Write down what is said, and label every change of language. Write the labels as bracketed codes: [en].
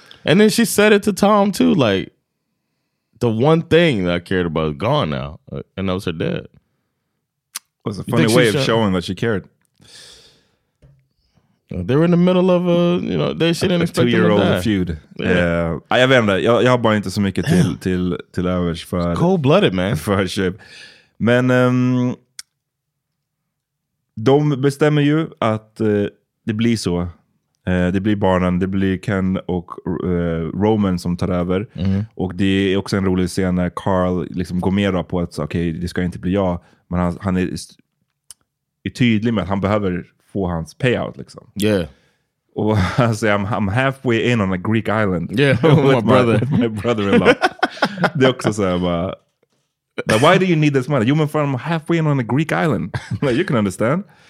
[en] And then she said it to Tom too, like, the one thing that I cared about is gone now, and that was her dad. It was a funny way of showing that she cared. They were in the middle of a, you know, they shouldn't expect them to die. A 2-year-old feud. Yeah. [sv] Jag vet inte, jag har bara inte så mycket till övers för... [en] It's cold-blooded, man. [sv] För Shiv. Men de bestämmer ju att det blir så. Det blir barnen, det blir Ken och Roman som tar över. Mm. Och det är också en rolig scen när Carl liksom går med på att okej, det ska inte bli jag. Men han är tydlig med att han behöver... få hans payout liksom. [en] Yeah. [sv] Och alltså, [en] I'm halfway in on a Greek island. Yeah, with my brother-in-law. [sv] Det är också så här bara, [en] why do you need this money? [sv] Jo, men [en] I'm halfway in on a Greek island. Like, you can understand.